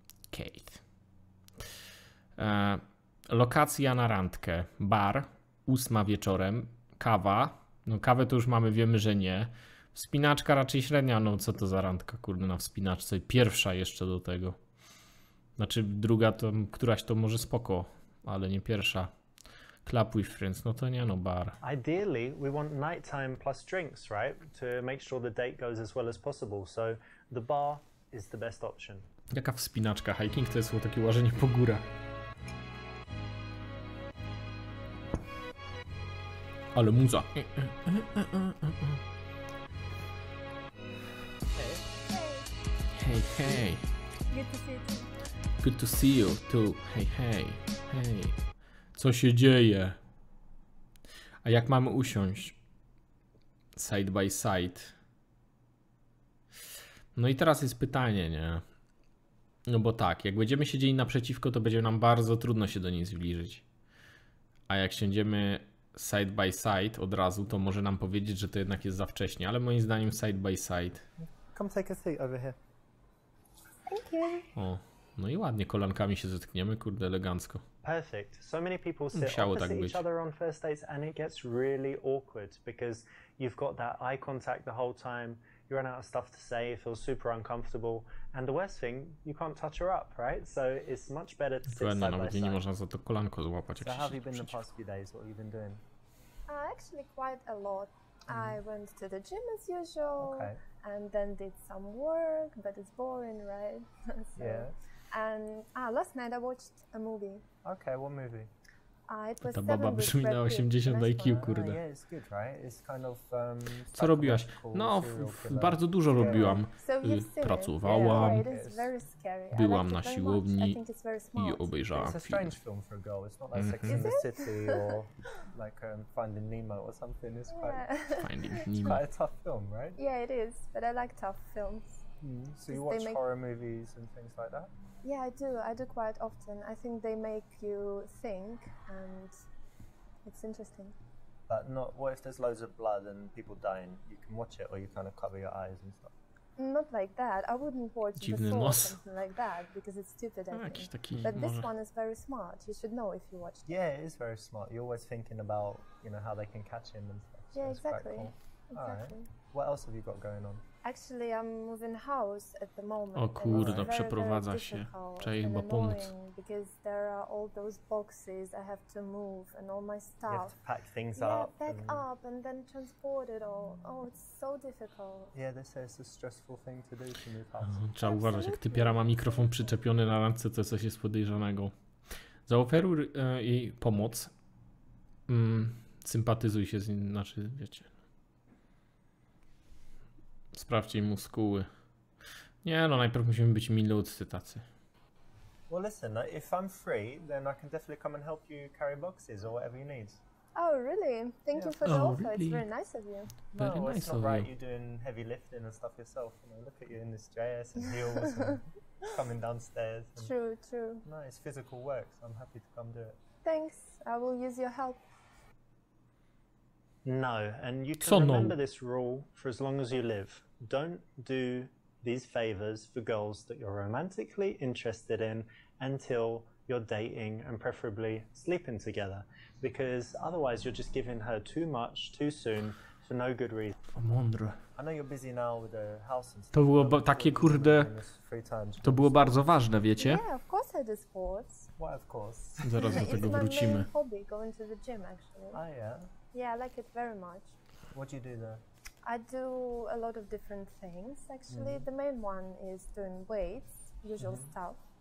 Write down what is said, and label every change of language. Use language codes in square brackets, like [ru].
[pl] Kate. Lokacja na randkę. Bar, 8 wieczorem, kawa. No kawę to już mamy, wiemy, że nie. Wspinaczka raczej średnia, no co to za randka, kurde, na wspinaczce. Pierwsza jeszcze do tego. Znaczy druga, to któraś to może spoko, ale nie pierwsza. [en] Club with friends, [pl] no to nie, no bar. [en] Ideally, we want nighttime plus drinks, right? To make sure the date goes as well as possible, so the bar is the best option. [pl] Jaka wspinaczka, hiking to jest takie łażenie po górach. Ale muza. [en] Hey, hey. Good to see you. Good to see you too. Hey, hey, hey. [pl] Co się dzieje? A jak mamy usiąść? [en] Side by side. [pl] No i teraz jest pytanie, nie? No bo tak, jak będziemy siedzieli naprzeciwko, to będzie nam bardzo trudno się do niej zbliżyć. A jak siedzimy [en] side by side [pl] od razu, to może nam powiedzieć, że to jednak jest za wcześnie, ale moim zdaniem side by side. [en] Come take a seat over here. Thank you. [pl] O, no i ładnie, kolankami się zetkniemy, kurde, elegancko. [en] Perfect. So many people sit opposite tak each other on first dates and it gets really awkward because you've got that eye contact the whole time, you run out of stuff to say, you feel super uncomfortable and the worst thing, you can't touch her up, right? So it's much better to sit side by side. [pl] Nawet nie można za to kolanko złapać, [en] so how have you been the past few days? What have you been doing? Actually quite a lot. I went to the gym as usual. Okay. And then did some work, but it's boring, right? So, yeah. And last night I watched a movie. Okay, what movie? It was [pl] ta baba brzmi na 80 IQ, kurde. [en] Yeah, it's good, right? It's kind of, [pl] co robiłaś? No, bardzo dużo robiłam. Pracowałam, byłam na siłowni i obejrzałam film. [en] It's a strange film for a girl. It's not like Sex in the City or like Finding Nemo or something. It's quite a tough film, right? Yeah, it is, but I like tough films. So you watch horror movies and things like that? Yeah, I do. I do quite often. I think they make you think and it's interesting. But not, what if there's loads of blood and people dying? You can watch it or you kind of cover your eyes and stuff? Not like that. I wouldn't watch the or something like that because it's stupid, I think. But this one is very smart. You should know if you watch it. Yeah, it is very smart. You're always thinking about, you know, how they can catch him and stuff. Yeah, exactly. Alright. What else have you got going on? Actually, I'm moving house at the moment. [pl] O kurde, przeprowadza się. Trzeba jej chyba pomóc. [en] Because there are all those boxes I have to move and all my stuff. You have to pack things up. Pack up and then transport it all. Oh, it's so difficult. Yeah, they say it's a stressful thing to do to move house. [pl] Trzeba uważać, jak typiara ma mikrofon przyczepiony na randce, to coś jest podejrzanego. Zaoferuj jej pomoc. Sympatyzuj się z nim, znaczy wiecie. Sprawdź jej muskuły. Nie, no najpierw musimy być milutcy tacy. [en] Well, listen, if I'm free, then I can definitely come and help you carry boxes or whatever you need. Oh, really? Thank you for the offer. Really? It's very nice of you. Very nice of you. No, it's not right. You're doing heavy lifting and stuff yourself. You know, look at you in this dress and heels and coming downstairs. And true. No, it's physical work, so I'm happy to come do it. Thanks. I will use your help. No, and you can remember this rule for as long as you live. Don't do these favors for girls that you're romantically interested in until you're dating and preferably sleeping together. Because otherwise you're just giving her too much too soon for no good reason. [pl] Mądre. [en] I know you're busy now with the house and stuff. [pl] To było takie kurde, to było bardzo ważne, wiecie? [en] Yeah, of course I do sports. Why of course? [pl] Zaraz do tego wrócimy. [en] It's my main hobby, going to the gym actually. Oh yeah? Yeah, I like it very much. What do you do there? I do a lot of different things, actually. Mm. The main one is doing weights, usual stuff.